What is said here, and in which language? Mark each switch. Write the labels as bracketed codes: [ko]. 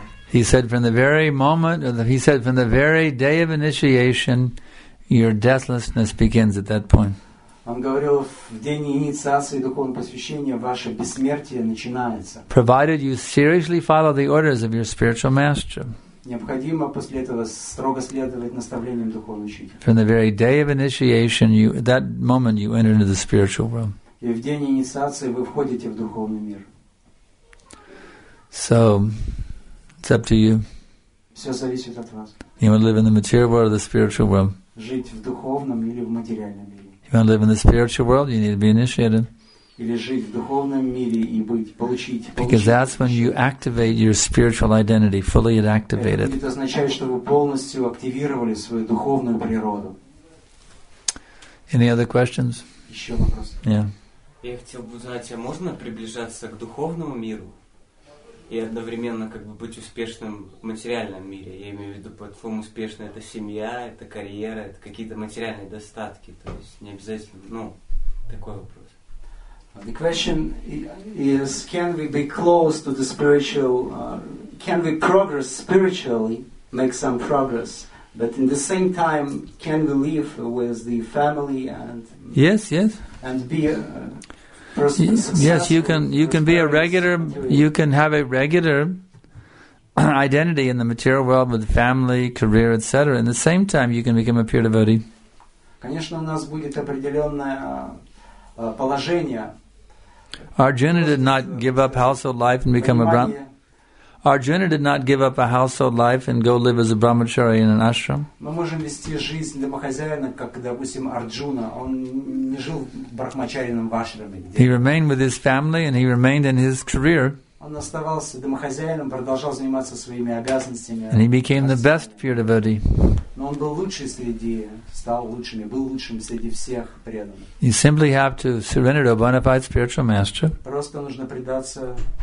[en] He said from the very moment, he said from the very day of initiation, your deathlessness begins at that point. [ru] Он говорил, в день инициации духовного посвящения ваше бессмертие начинается. [en] Provided you seriously follow the orders of your spiritual master. [ru] Необходимо после этого строго следовать наставлениям духовного учителя. [en] From the very day of initiation, you, that moment you enter into the spiritual realm. [ru] И в день инициации вы входите в духовный мир. [en] So, it's up to you. [ru] Все зависит от вас. [en] You want to live in the material world or the spiritual world? [ru] Жить в духовном или в материальном мире? [en] You want to live in the spiritual world? You need to be initiated. [ru] Или жить в духовном мире и быть, получить. [en] Because that's when you activate your spiritual identity fully. It activated. [ru] Это означает, что вы полностью активировали свою духовную природу. [en] Any other questions? [ru] Еще вопросы? [en] Yeah. [ru] Я хотел бы узнать, а можно приближаться к духовному миру? И одновременно как бы быть успешным в материальном мире. Я имею в виду, платформа успешная — это семья, это карьера, это какие-то материальные достатки. То есть не обязательно, ну, такой вопрос. [en] The question is, can we be close to the spiritual, can we progress spiritually, make some progress, but in the same time, can we live with the family and... Yes. And be a... Yes, you can be a regular, you can have a regular identity in the material world with family, career, etc. In the same time, you can become a pure devotee. [ru] Конечно, у нас будет определенное положение. [en] Arjuna did not give up household life and become a Brahmin. Arjuna did not give up a household life and go live as a brahmachari in an ashram. [ru] Мы можем вести жизнь домохозяина, как, допустим, Арджуна. Он не жил в брахмачарином ашраме. [en] He remained with his family and he remained in his career. [ru] Он оставался домохозяином, продолжал заниматься своими обязанностями. [en] And he became the best pure devotee. [ru] Но он был лучший среди, стал лучшим, был лучшим среди всех преданных. [en] You simply have to surrender to a bona fide spiritual master. [ru] Просто нужно предаться.